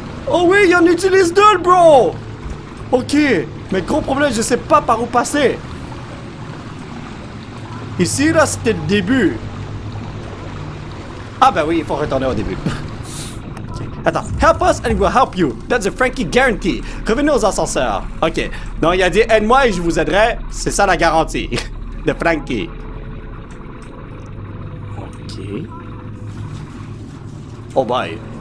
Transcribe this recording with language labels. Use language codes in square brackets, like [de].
[fr] Oh oui, il en utilise deux, bro! Ok. Mais gros problème, je sais pas par où passer. Ici, là, c'était le début. Ah ben oui, il faut retourner au début. Attends. [en] Help us and we'll help you. That's a Frankie guarantee. [fr] Revenez aux ascenseurs. Ok. Non, il a dit aide-moi et je vous aiderai. C'est ça la garantie. De Frankie. Ok. [en] Oh bye.